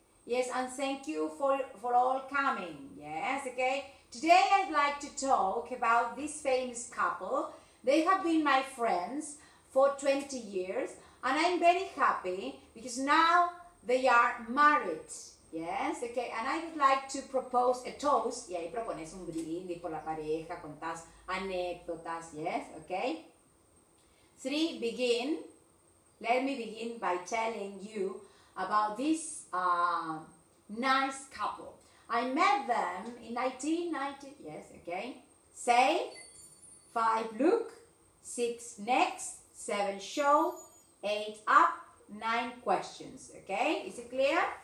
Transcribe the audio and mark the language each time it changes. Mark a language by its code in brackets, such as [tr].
[en] Yes, and thank you for all coming. Yes, okay. Today I'd like to talk about this famous couple. They have been my friends for 20 years. And I'm very happy because now they are married. Yes, okay, and I would like to propose a toast. [es] Y ahí propones un brindis por la pareja, contás anécdotas, yes, okay. [en] Three, begin. Let me begin by telling you about this nice couple. I met them in 1990, yes, okay. Say, five, look, six, next, seven, show, eight, up, nine, questions, okay. Is it clear?